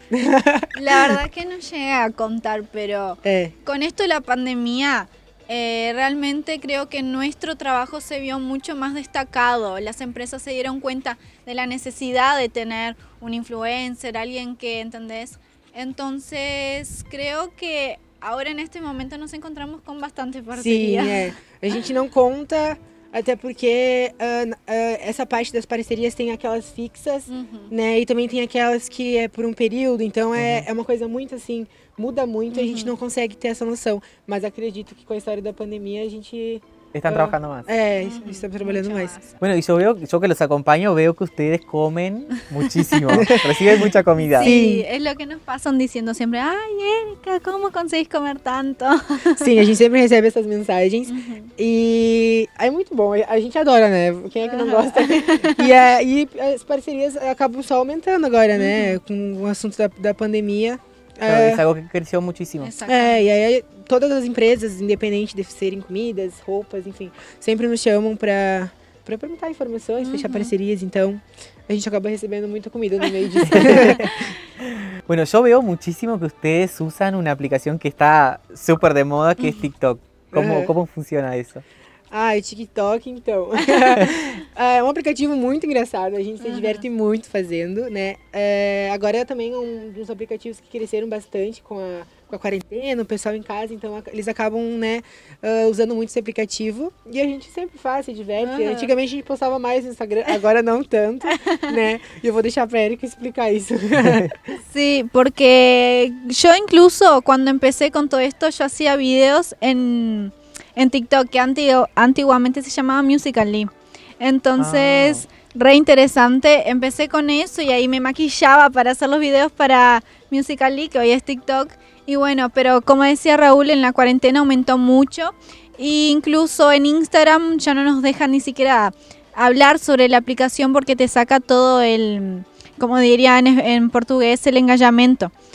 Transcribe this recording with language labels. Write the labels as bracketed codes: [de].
[es] La verdad que no llegué a contar, pero con esto de la pandemia, realmente creo que nuestro trabajo se vio mucho más destacado. Las empresas se dieron cuenta de la necesidad de tener un influencer, alguien que, ¿entendés? Entonces, creo que ahora en este momento nos encontramos con bastante parcería. Sí, [pt] a gente [es] no cuenta. [pt] Até porque essa parte das parcerias tem aquelas fixas, né? E também tem aquelas que é por um período. Então é uma coisa muito assim, muda muito e a gente não consegue ter essa noção. Mas acredito que com a história da pandemia a gente... Estão trabalhando mais. Estamos trabalhando mais. [es] Bueno, [pt] e eu que os acompanho, [es] veo que ustedes comem muchísimo. Reciben mucha comida. Sí, es lo que nos pasan diciendo siempre. Ay, Erika, ¿cómo conseguís comer tanto? [pt] Sim, a gente sempre recebe essas mensagens. E é muito bom. A gente adora, né? Quem é que não gosta? E as parcerias acabam só aumentando agora, né? Com o assunto da pandemia. [es] Claro, es algo que creció muchísimo. Y ahí todas las empresas, independientes de serem comidas, roupas, enfim, siempre nos llaman para preguntar informaciones, fechar parcerías, entonces [pt] a gente acaba [es] recibiendo mucha comida en el medio de... Bueno, yo veo muchísimo que ustedes usan una aplicación que está súper de moda, que es TikTok. ¿Cómo funciona eso? [pt] Ah, o TikTok, então. É um aplicativo muito engraçado, a gente se diverte muito fazendo, né? Agora é também um dos aplicativos que cresceram bastante com a quarentena, o pessoal em casa, então eles acabam, né, usando muito esse aplicativo. E a gente sempre faz, se diverte. Uhum. Antigamente a gente postava mais no Instagram, agora não tanto, né? E eu vou deixar pra Erika explicar isso. Sim, porque eu, incluso, quando comecei com tudo isso, eu fazia vídeos en TikTok, [es] que antiguamente se llamaba [pt] Musical.ly. [es] Entonces, re interesante, empecé con eso y ahí me maquillaba para hacer los videos para Musical.ly, que hoy es TikTok. Y bueno, pero como decía Raúl, en la cuarentena aumentó mucho. E incluso en Instagram ya no nos dejan ni siquiera hablar sobre la aplicación porque te saca todo el, como diría en portugués, el engallamiento.